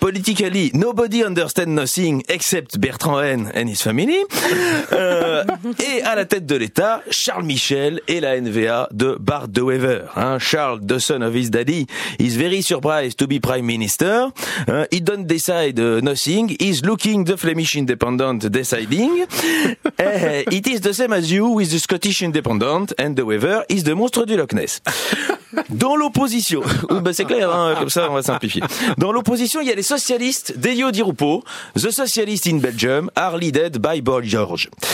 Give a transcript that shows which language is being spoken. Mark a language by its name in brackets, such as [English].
[English] Politically, nobody understands nothing except Bertrand N and his family. [French] Et à la tête de l'État, Charles Michel et la NVA de Bart De Wever. [English] Hein, Charles, the son of his daddy, is very surprised to be prime minister. He don't decide nothing. He's looking the Flemish independent deciding. It is the same as you with the Scottish independent and De Wever is the [French] monstre du Loch Ness. Dans l'opposition, c'est clair, hein, comme ça on va simplifier. Dans l'opposition, il y a les socialistes d'Elio Di Rupo. [English] The socialists in Belgium are led by Boy George.